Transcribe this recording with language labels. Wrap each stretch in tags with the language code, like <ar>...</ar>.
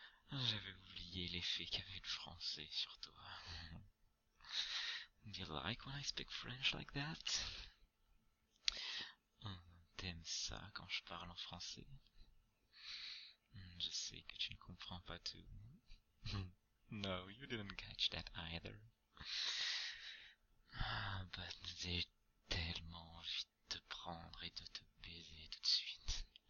<fr>J'avais oublié l'effet qu'avait le français sur toi.</fr> <en>Do you like when I speak French like that?</en> <fr>T'aimes ça quand je parle en français? Je sais que tu ne comprends pas tout.</fr> <en>No, you didn't catch that either.</en> <fr>Ah, bah, j'ai tellement envie de te prendre et de te baiser tout de suite.</fr>